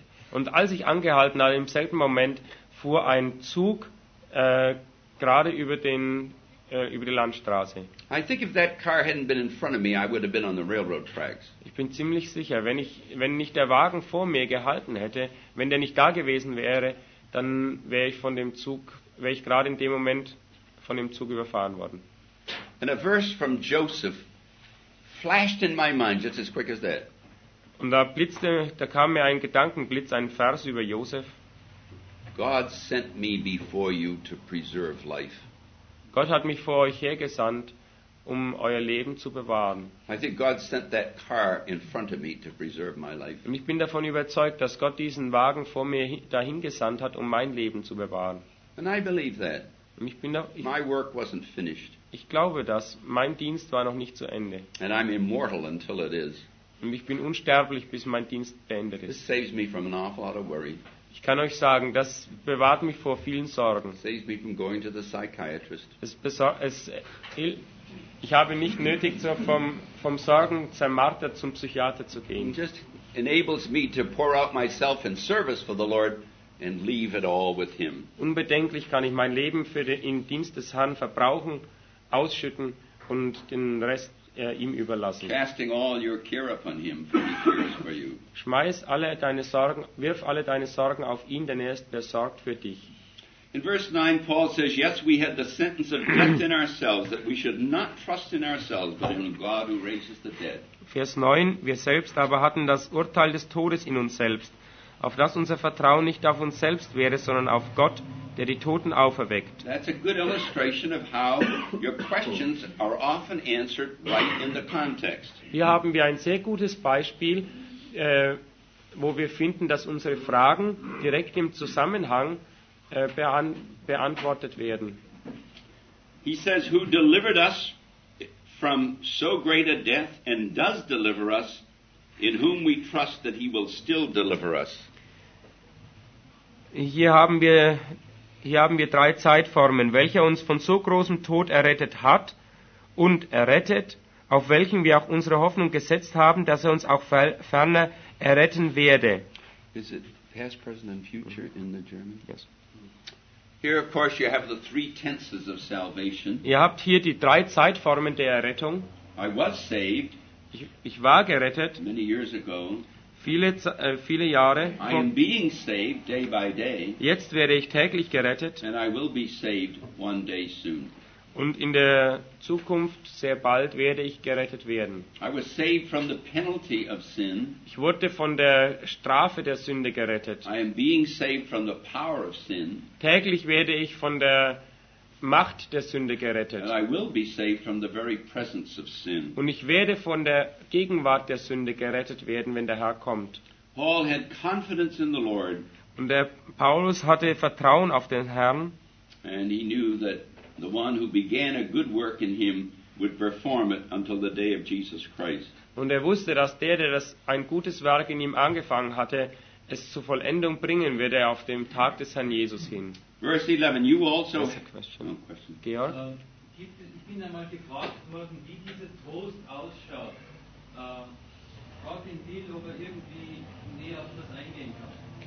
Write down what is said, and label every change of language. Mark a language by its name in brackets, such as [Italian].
[German] Und als ich angehalten hatte, im selben Moment fuhr ein Zug gerade über die Landstraße. [English] I think if that car hadn't been in front of me, I would have been on the railroad tracks. [German] Ich bin ziemlich sicher, wenn nicht der Wagen vor mir gehalten hätte, wenn der nicht da gewesen wäre, dann wäre ich gerade in dem Moment von dem Zug überfahren worden. [English] And a verse from Joseph flashed in my mind just as quick as that. [German] Und da kam mir ein Gedankenblitz, ein Vers über Joseph. [English] God sent me before you to preserve life. [German] Gott hat mich vor euch hergesandt, um euer Leben zu bewahren. [English] I think God sent that car in front of me to preserve my life. [German] Und ich bin davon überzeugt, dass Gott diesen Wagen vor mir dahin gesandt hat, um mein Leben zu bewahren. [English] And I believe that. [German] Und [English] my work wasn't finished. [German] Ich glaube das. Mein Dienst war noch nicht zu Ende. [English] And I'm immortal until it is. [German] Und ich bin unsterblich, bis mein Dienst beendet ist. [English] This saves me from an awful lot of worry. [German] Ich kann euch sagen, das bewahrt mich vor vielen Sorgen. Ich habe nicht nötig, vom Sorgenzermarter zum Psychiater zu gehen. [English] Just enables me to pour out myself in service for the Lord and leave it all with him. [German] Unbedenklich kann ich mein Leben für den Dienst des Herrn verbrauchen, ausschütten und den Rest ihm überlassen. [English] Casting all your care upon him, for he cares for you. [German] Schmeiß alle deine Sorgen, wirf alle deine Sorgen auf ihn, denn er ist besorgt für dich. [English] In verse 9 Paul says, yes, we had the sentence of death in ourselves, that we should not trust in ourselves, but in God who raises the dead. [German] Vers 9, wir selbst aber hatten das Urteil des Todes in uns selbst, auf das unser Vertrauen nicht auf uns selbst wäre, sondern auf Gott, der die Toten auferweckt. [English] That's a good illustration of how your questions are often answered right in the context. [German] Hier haben wir ein sehr gutes Beispiel, wo wir finden, dass unsere Fragen direkt im Zusammenhang beantwortet werden. [English] He says, who delivered us from so great a death and does deliver us, in whom we trust that he will still deliver us. [German] Hier haben wir drei Zeitformen, welcher uns von so großem Tod errettet hat und errettet, auf welchen wir auch unsere Hoffnung gesetzt haben, dass er uns auch ferner erretten werde. [English] Is it past, present and future in the German? Yes. Here of course you have the three tenses of salvation. [German] Ihr habt hier die drei Zeitformen der Errettung. [English] I was saved. [German] Ich war gerettet. [English] Many years ago. [German] Viele Jahre. [English] I am being saved day by day. [German] Jetzt werde ich täglich gerettet. [English] And I will be saved one day soon. [German] Und in der Zukunft, sehr bald, werde ich gerettet werden. [English] I was saved from the penalty of sin. [German] Ich wurde von der Strafe der Sünde gerettet. [English] I am being saved from the power of sin. [German] Täglich werde ich von der Macht der Sünde gerettet. [English] And I will be saved from the very presence of sin. [German] Und ich werde von der Gegenwart der Sünde gerettet werden, wenn der Herr kommt. [English] Paul had confidence in the Lord. [German] Und der Paulus hatte Vertrauen auf den Herrn. [English] And he knew that the one who began a good work in him would perform it until the day of Jesus Christ. [German] Und wusste, dass der das ein gutes Werk in ihm angefangen hatte, es zur Vollendung bringen würde auf dem Tag des Herrn Jesus hin. [English] Verse 11, you also... That's a question. No question. Georg? [German] Ich bin einmal gefragt worden, wie dieser Trost ausschaut. Frag den Bill, ob irgendwie näher auf das eingehen kann.